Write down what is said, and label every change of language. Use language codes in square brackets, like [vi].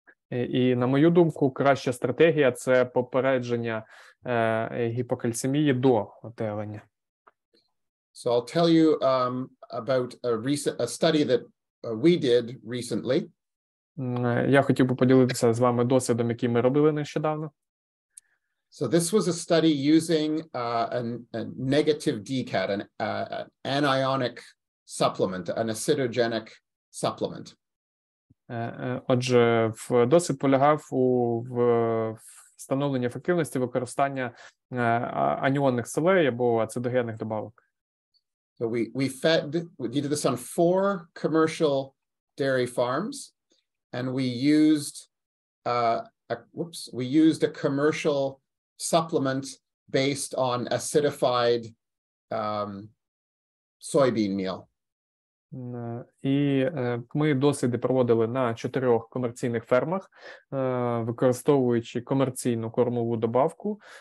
[uk] І, на мою думку, краща стратегія – це попередження гіпокальцемії до отелення. [en] So I'll tell you about a study that we did recently. [uk] Я хотів би поділитися з вами досвідом, який ми робили нещодавно. [en] So this was a study using a negative DCAT, an anionic supplement, an acidogenic supplement. [uk] Отже, досвід полягав у встановленні ефективності використання аніонних солей або ацидогенних добавок. [en] So we did this on 4 commercial dairy farms, and we used a commercial supplement based on acidified soybean meal. [uk] І ми досліди проводили на 4 комерційних фермах, використовуючи комерційну кормову добавку.